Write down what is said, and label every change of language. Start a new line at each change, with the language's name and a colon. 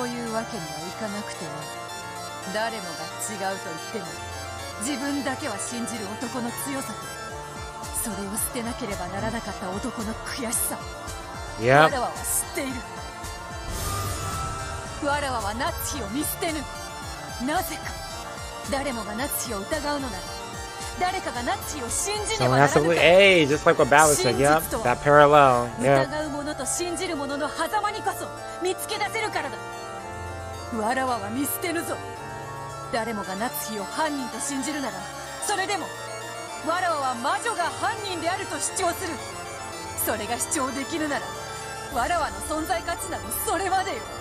Japanese: そういうわけにはいかなくても、誰もが違うと言っても、自分だけは信じる男の強さと、それを捨てなければならなかった男の悔しさ、わらわは知っている。わらわはナッチを見捨てぬ。なぜか、誰もがナッチを疑うのなら、誰かがナッチを信じねばならぬか。
English: Hey, just like what Babel said, yep, that parallel.
Japanese: 疑う者と信じる者の狭間にこそ見つけ出せるからだ。わらわは見捨てぬぞ。誰もがナッツヒを犯人と信じるなら、それでもわらわは魔女が犯人であると主張する。それが主張できるなら、わらわの存在価値などそれまでよ。